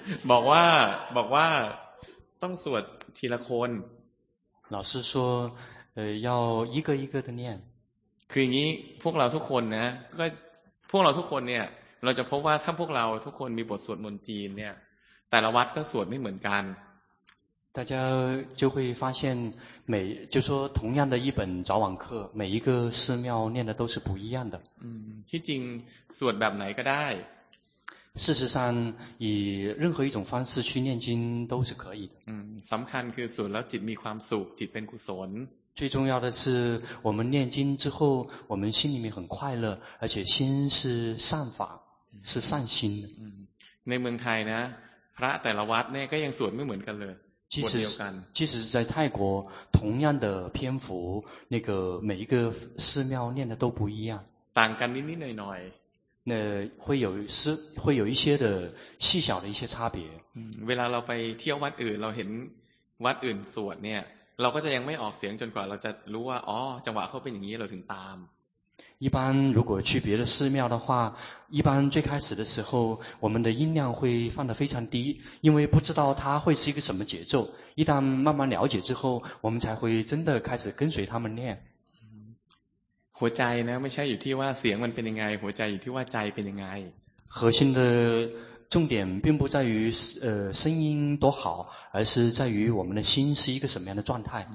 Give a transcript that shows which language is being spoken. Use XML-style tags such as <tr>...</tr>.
<th>บอกว่าต้องสวดทีละคน</th> <zh>老师说要一个一个的念</zh> <th>คืออย่างนี้พวกเราทุกคนนะก็พวกเราทุกคนเนี่ยเราจะพบว่าถ้าพวกเราทุกคนมีบทสวดมนต์จีนเนี่ยแต่ละวัดก็สวดไม่เหมือนกัน</th> <zh>大家就会发现每就说同样的一本早晚课每一个寺庙念的都是不一样的</zh> <th>ที่จริงสวดแบบไหนก็ได้</th> <zh>事实上以任何一种方式去念经都是可以的</zh> <th>สำคัญคือสวดแล้วจิตมีความสุขจิตเป็นกุศล</th> <zh>最重要的是我们念经之后我们心里面很快乐而且心是善法是善心的</zh> <th>ในเมืองไทยนะพระแต่ละวัดเนี่ยก็ยังสวดไม่เหมือนกันเลย</th> <zh>即使在泰国同样的篇幅那个每一个寺庙念的都不一样</zh> <th>ต่างกันนิดๆหน่อย</th> <zh>ๆ那会有一些的细小的一些差别</zh> <th>เวลาเราไปเที่ยววัดอื่นเราเห็นวัดอื่นสวดเนี่ยเราก็จะยังไม่ออกเสียงจนกว่าเราจะรู้ว่าอ๋อจังหวะเขาเป็นอย่างนี้เราถึงตาม</th> <zh>一般如果去别的寺庙的话一般最开始的时候我们的音量会放得非常低因为不知道它会是一个什么节奏一旦慢慢了解之后我们才会真的开始跟随他们念</zh> <th>หัวใจนะไม่ใช่อยู่ที่ว่าเสียงมันเป็นยังไงหัวใจอยู่ที่ว่าใจเป็นยังไง</th> <zh>核心的重点并不在于声音多好而是在于我们的心是一个什么样的状态</zh>